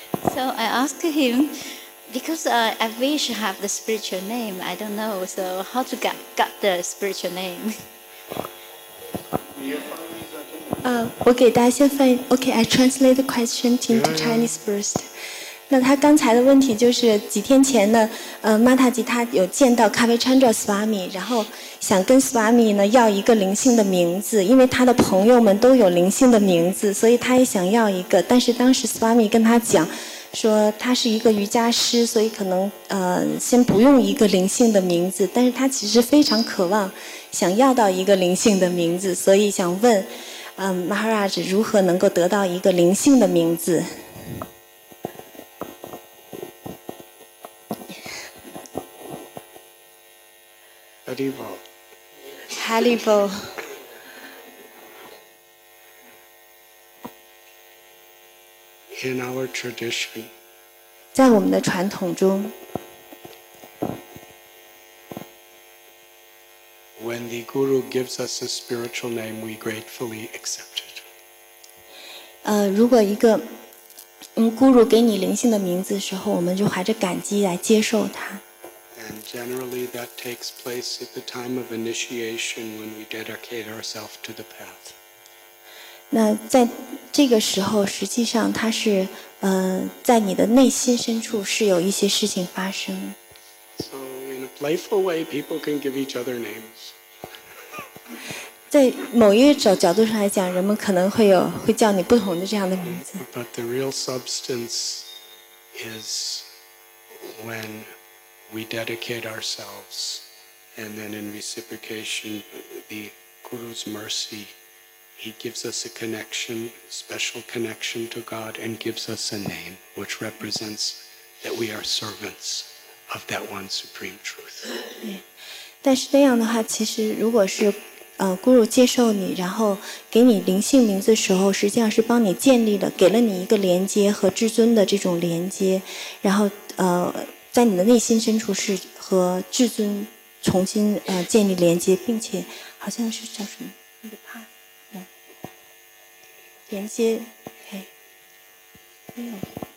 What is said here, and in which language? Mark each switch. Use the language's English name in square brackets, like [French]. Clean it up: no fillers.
[English] So I asked him, because I wish I have the spiritual name, I don't know, so how to get the spiritual name? Okay, I translate the question into Chinese first. [Chinese] 那他刚才的问题就是几天前呢，Mataji 他有见到 Kavichandra Swami， 然后想跟 Swami 呢要一个灵性的名字，因为他的朋友们都有灵性的名字，所以他也想要一个。但是当时 Swami 跟他讲，说他是一个瑜伽师，所以可能先不用一个灵性的名字。但是他其实非常渴望想要到一个灵性的名字，所以想问，Maharaj 如何能够得到一个灵性的名字？ Halival. [English] In our tradition, [Chinese] 在我们的传统中 [English] when the guru gives us a spiritual name, we gratefully accept it. [Chinese] 如果一个guru 给你灵性的名字的时候，我们就怀着感激来接受它。 [English] And generally that takes place at the time of initiation when we dedicate ourselves to the path. [Chinese] 那在这个时候实际上它是在你的内心深处是有一些事情发生。 [English] So in a playful way, people can give each other names. [Chinese] 在某一种角度上来讲人们可能会叫你不同的这样的名字。 [English] But the real substance is whenWe dedicate ourselves, and then in reciprocation, the Guru's mercy, he gives us a connection, special connection to God, and gives us a name, which represents that we are servants of that one supreme truth. [Chinese] 但是那样的话，其实如果是Guru 接受你，然后给你灵性名字的时候，实际上是帮你建立了，给了你一个连接和至尊的这种连接，然后在你的内心深处是和至尊重新建立连接，并且好像是叫什么那个 path 连接，没有。